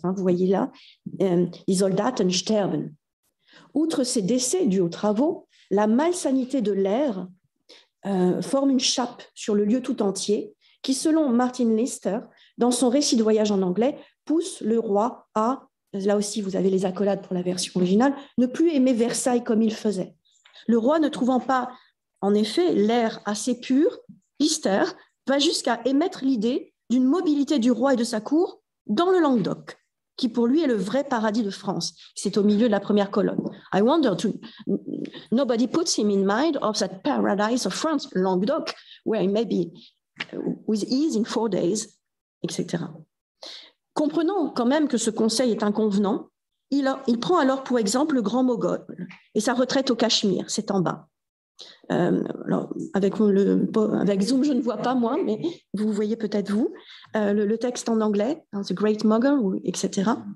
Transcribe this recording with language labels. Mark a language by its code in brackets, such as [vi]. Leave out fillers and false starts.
[fr] Hein, vous voyez là, « [de] Die Soldaten sterben [fr] ». Outre ces décès dus aux travaux, la malsanité de l'air forme une chape sur le lieu tout entier qui, selon Martin Lister, dans son récit de voyage en anglais, pousse le roi à, là aussi vous avez les accolades pour la version originale, ne plus aimer Versailles comme il faisait. Le roi ne trouvant pas, en effet, l'air assez pur, Lister va jusqu'à émettre l'idée d'une mobilité du roi et de sa cour dans le Languedoc, qui pour lui est le vrai paradis de France. C'est au milieu de la première colonne. [en] I wonder to nobody puts him in mind of that paradise of France, Languedoc, where he may be with ease in 4 days. [fr] Etc. Comprenant quand même que ce conseil est inconvenant, il prend alors pour exemple le Grand Mogol et sa retraite au Cachemire, c'est en bas. Avec Zoom, je ne vois pas moi, mais vous voyez peut-être vous, le texte en anglais, hein, The Great Mogol, etc.